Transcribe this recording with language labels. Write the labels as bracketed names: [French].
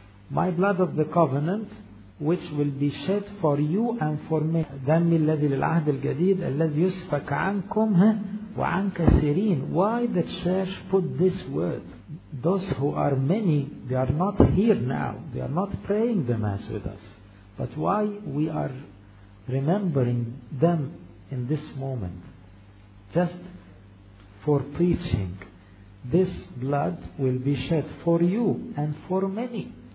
[English] My blood of the covenant, which will be shed for you and for me. [Arabic] دمي الذي للعهد الجديد الذي يسفك عنكم وعن كثيرين. [English] Why the church put this word? Those who are many, they are not here now. They are not praying the Mass with us. But why we are remembering them in this moment? Just for preaching. This blood will be shed for you and for many.